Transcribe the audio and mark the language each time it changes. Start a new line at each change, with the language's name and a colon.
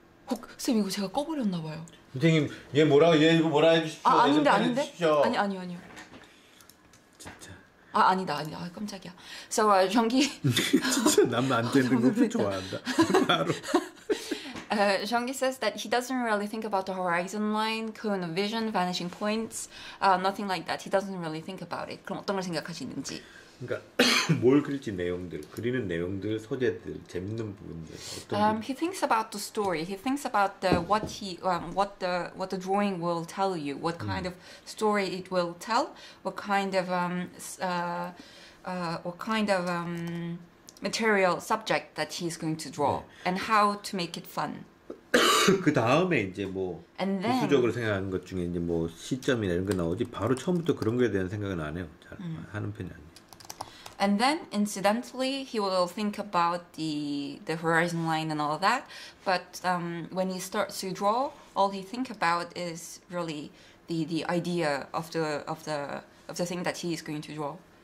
Korean: 혹 선생님 이거 제가 꺼버렸나 봐요. 선생님 얘 뭐라고 얘 이거 뭐라 해주십시오. 아 아닌데 아닌데. 해주십시오. 아니 아니 아니요. 진짜. 아 아니다 아니다 아, 깜짝이야.
English: So 정기.
Korean: 진짜 남 안 되는 거 좋아한다. 바로.
English: Jeonggi says that he doesn't really think about the horizon line, cone of vision, vanishing points, nothing like that. He doesn't really think about it.
Korean: 그럼 어떤 걸 생각하시는지. 그러니까 뭘 그릴지 내용들, 그리는 내용들, 소재들, 재밌는 부분들 어떤
English: He thinks about the story. He thinks about the what he what the drawing will tell you. What kind of story it will tell? What kind of material subject that he's going to draw
Korean: 네.
English: and how to make it fun.
Korean: 그 다음에 이제 뭐 구수적으로 생각하는 것 중에 이제 뭐 시점이나 이런 게 나오지 바로 처음부터 그런 거에 대한 생각은 안 해요. 잘 하는 편이 아니에요.
English: And then, incidentally, he will think about the horizon line and all that. But when he starts to draw, all he think about is really the idea of the thing that he is going to draw.